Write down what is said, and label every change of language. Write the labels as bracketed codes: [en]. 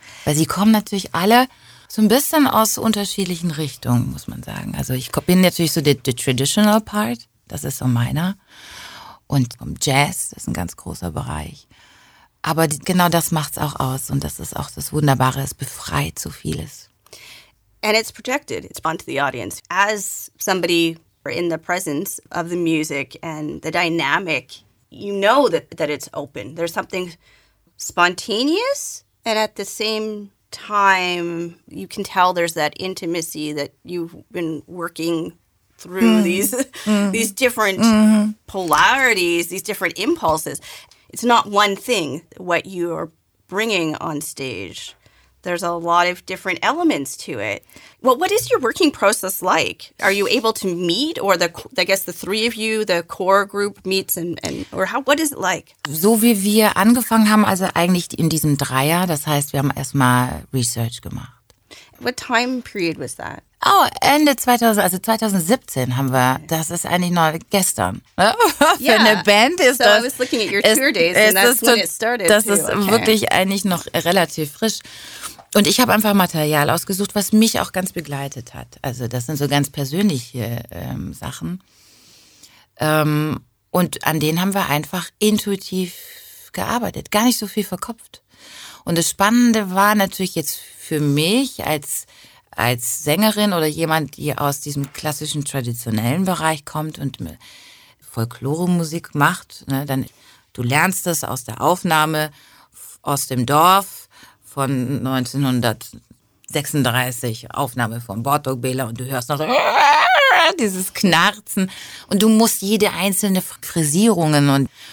[de] Weil sie kommen natürlich alle so ein bisschen aus unterschiedlichen Richtungen, muss man sagen. Also ich bin natürlich so [en] the traditional part, [de] das ist so meiner. Und Jazz ist ein ganz großer Bereich. Aber genau das macht's auch aus und das ist auch das Wunderbare, es befreit so vieles. [en] And it's projected, it's onto the audience. As somebody in the presence of the music and the dynamic, you know that it's open. There's something spontaneous, and at the same time, you can tell there's that intimacy that you've been working through these different polarities, these different impulses. It's not one thing, what you are bringing on stage. There's a lot of different elements to it. Well, what is your working process like? Are you able to meet, or the three of you, the core group meets, what is it like? [de] So wie wir angefangen haben, also eigentlich in diesem Dreier, das heißt, wir haben erstmal Research gemacht. [en] What time period was that? [de] Oh, Ende 2017 haben wir, das ist eigentlich noch gestern. [en] Yeah. [de] Für eine Band ist so das. [en] So I was looking at your tour days and that's when it started. [de] Das [en] too. [de] Ist okay. Wirklich eigentlich noch relativ frisch. Und ich habe einfach Material ausgesucht, was mich auch ganz begleitet hat. Also das sind so ganz persönliche Sachen. Und an denen haben wir einfach intuitiv gearbeitet, gar nicht so viel verkopft. Und das Spannende war natürlich jetzt für mich als Sängerin oder jemand, die aus diesem klassischen traditionellen Bereich kommt und Folkloremusik macht, ne, dann du lernst das aus der Aufnahme aus dem Dorf von 1936, Aufnahme von Bartók Béla, und du hörst noch dieses Knarzen und du musst jede einzelne Frisierungen und